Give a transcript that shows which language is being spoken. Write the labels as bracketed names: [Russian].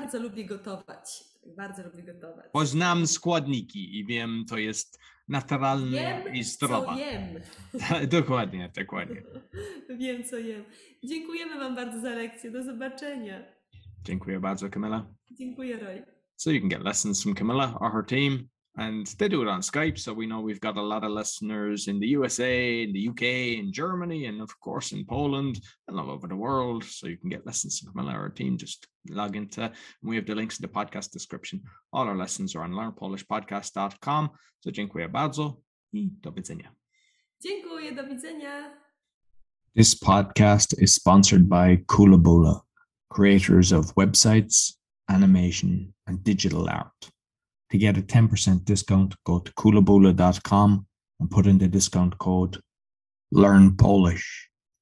[Polish] Bardzo lubię gotować. Bardzo lubię gotować. Bo znam składniki i wiem, to jest naturalne i zdrowe. Co jem. Dokładnie, dokładnie. Wiem, co jem. Dziękujemy Wam bardzo za lekcję. Do zobaczenia. Dziękuję bardzo, Kamila. Dziękuję, Roy. [English] So you can get lessons from Kamila or her team. And they do it on Skype, so we know we've got a lot of listeners in the USA, in the UK, in Germany, and of course in Poland, and all over the world. So you can get lessons from our team. Just log into, and we have the links in the podcast description. All our lessons are on learnpolishpodcast.com. [Polish] So dziękuję bardzo i do widzenia. Dziękuję, do widzenia. [English] This podcast is sponsored by Koolaboola, creators of websites, animation, and digital art. To get a 10% discount, go to koolaboola.com and put in the discount code LearnPolish.